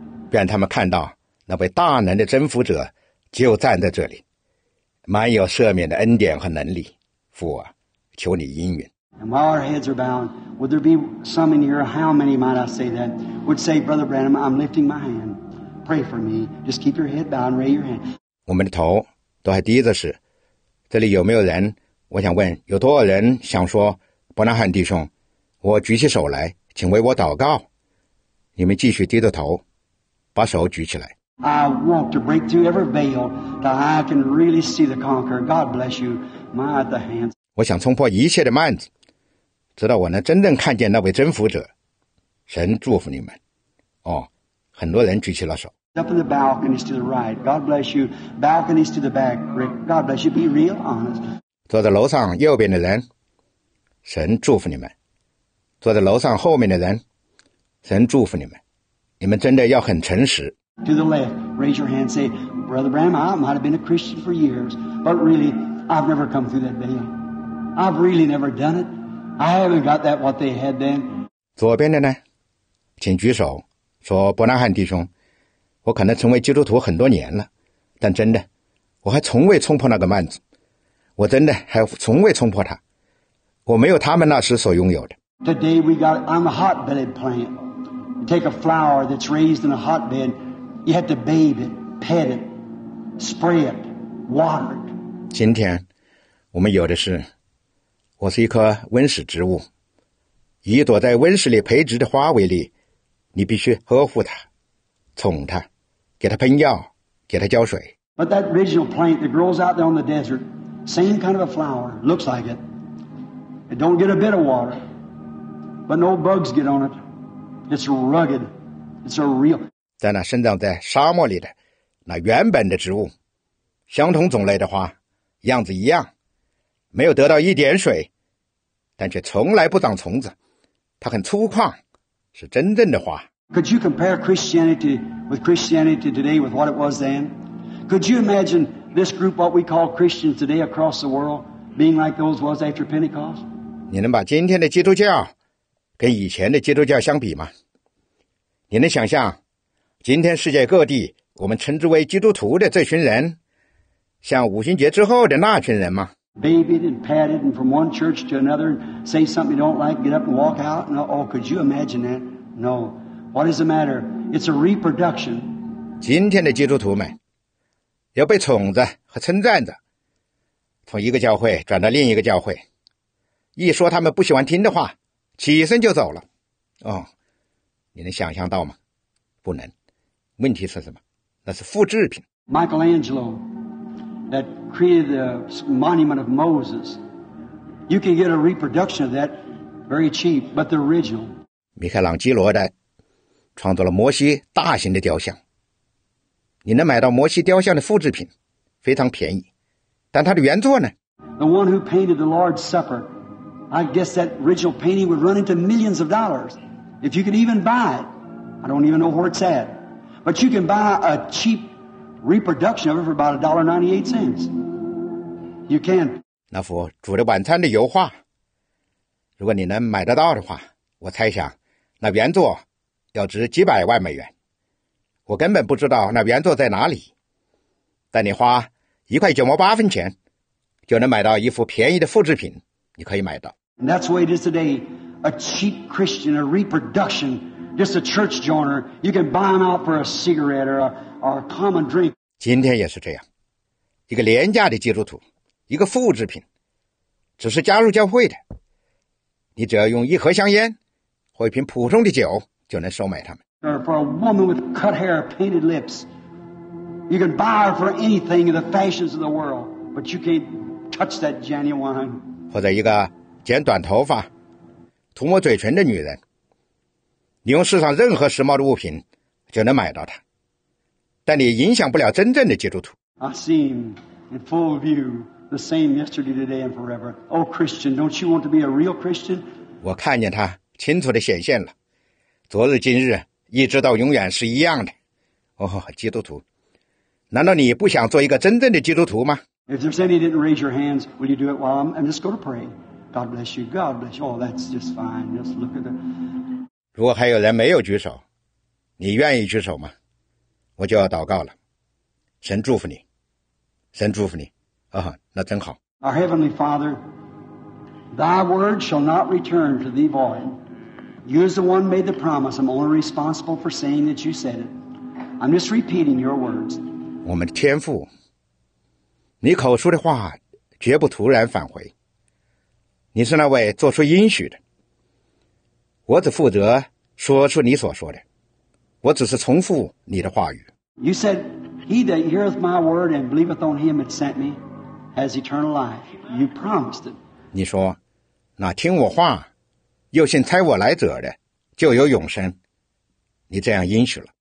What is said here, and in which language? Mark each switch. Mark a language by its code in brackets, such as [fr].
[zh] 愿他们看到那位大能的征服者就站在这里，满有赦免的恩典和能力。父啊，求你应允。 [en] And while our heads are bowed, would there be some in here? How many might I say that would say, Brother Branham, I'm lifting my hand. Pray for me. Just keep your head bowed and raise your hand. [zh] 我们的头都还低着时，这里有没有人？我想问，有多少人想说，伯南汉弟兄，我举起手来，请为我祷告。你们继续低着头，把手举起来。 [en] I want to break through every veil that I can really see the conqueror. God bless you. My the hands. [zh] 我想冲破一切的幔子，直到我能真正看见那位征服者。神祝福你们。哦，很多人举起了手。 [en] Up in the balconies to the right. God bless you. Balconies to the back. God bless you. Be real honest. [zh] 坐在楼上右边的人，神祝福你们。坐在楼上后面的人。神祝福你们，你们真的要很诚实。 [en] To the left, raise your hand, say, Brother Bram, I might have been a Christian for years, but really, I've never come through that veil. I've really never done it. I haven't got that what they had then. [zh] 左边的呢？请举手，说伯拉罕弟兄，我可能成为基督徒很多年了，但真的，我还从未冲破那个幔子，我真的还从未冲破它，我没有他们那时所拥有的。 [en] Today we got I'm a hotbed plant. You take a flower that's raised in a hotbed, you have to bathe it, pet it, spray it, water it. [zh] 今天我们有的是，我是一棵温室植物，以躲在温室里培植的花为例，你必须呵护它，宠它，给它喷药，给它浇水。 [en] But that original plant that grows out there on the desert, same kind of a flower, looks like it. It don't get a bit of water, but no bugs get on it. It's rugged. It's a real. [zh] 在那生长在沙漠里的那原本的植物，相同种类的花，样子一样，没有得到一点水，但却从来不长虫子。它很粗犷，是真正的花。 [en] Could you compare Christianity with Christianity today with what it was then? Could you imagine this group, what we call Christians today across the world, being like those was after Pentecost? [zh] 你能把今天的基督教跟以前的基督教相比吗？你能想象今天世界各地我们称之为基督徒的这群人，像五旬节之后的那群人吗？ [en] Babied and patted and from one church to another and say something you don't like, get up and walk out. No, oh, could you imagine that? No. What is the matter? It's a reproduction. [zh] 今天的基督徒们要被宠着和称赞着，从一个教会转到另一个教会，一说他们不喜欢听的话，起身就走了。哦，你能想象到吗？不能。问题是什么？那是复制品。 [en] Michelangelo that created the monument of Moses, you can get a reproduction of that very cheap, but the original. [zh] 米开朗基罗的创作了摩西大型的雕像。你能买到摩西雕像的复制品，非常便宜，但它的原作呢？ [en] The one who painted the Lord's Supper, I guess that original painting would run into millions of dollars if you could even buy it. I don't even know where it's at, but you can buy a cheap reproduction of it for about $1.98. You can. [zh] 那幅主的晚餐的油画，如果你能买得到的话，我猜想那原作要值几百万美元。我根本不知道那原作在哪里，但你花1.98钱就能买到一幅便宜的复制品，你可以买到。 [en] And that's the way it is today, a cheap Christian, a reproduction, just a church joiner, you can buy them out for a cigarette or a common drink. [zh] 今天也是这样，一个廉价的基督徒，一个复制品，只是加入教会的，你只要用一盒香烟或一瓶普通的酒就能收买他们。 [en] Or for a woman with cut hair, painted lips. You can buy her for anything in the fashions of the world, but you can't touch that genuine. [zh] 或者一个剪短头发、涂抹嘴唇的女人，你用世上任何时髦的物品就能买到她，但你影响不了真正的基督徒。 [en] I see him in full view, the same yesterday, today, and forever. Oh, Christian, don't you want to be a real Christian? [zh] 我看见他清楚地显现了，昨日、今日。一直到永远是一样的，哦，基督徒，难道你不想做一个真正的基督徒吗？ [en] If there's any didn't raise your hands, will you do it while I'm just go to pray? God bless you. God bless you. Oh, that's just fine. Just look at the. [zh] 如果还有人没有举手，你愿意举手吗？我就要祷告了。神祝福你，神祝福你，啊、哦，那真好。 [en] Our heavenly Father, Thy word shall not return to Thee void. You as the one made the promise, I'm only responsible for saying that you said it. I'm just repeating your words. [zh] 我们的天父，你口出的话绝不突然返回。你是那位做出应许的。我只负责说出你所说的。我只是重复你的话语。 [en] You said, he that heareth my word and believeth on him that sent me has eternal life. You promised it. [zh] 你说，那听我话又信差我来者的就有永生，你这样应许了。